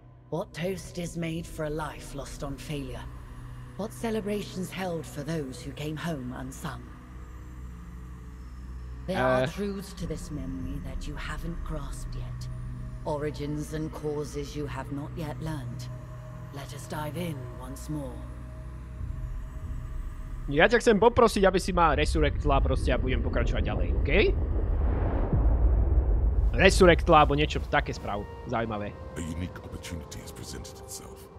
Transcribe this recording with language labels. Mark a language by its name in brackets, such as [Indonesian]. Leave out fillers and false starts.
[English] What toast is made for a life lost on failure? What celebrations held for those who came home unsung? There are truths to this memory that you haven't grasped yet. Origins and causes you have not yet learned. Let us dive in once more. [Slovak] Ja ťa chcem poprosiť, aby si ma resurrectla proste a budem pokračovať ďalej, okej? Okay? Resurrectla alebo niečo také správ, zaujímavé. [English] A unique opportunity has presented itself.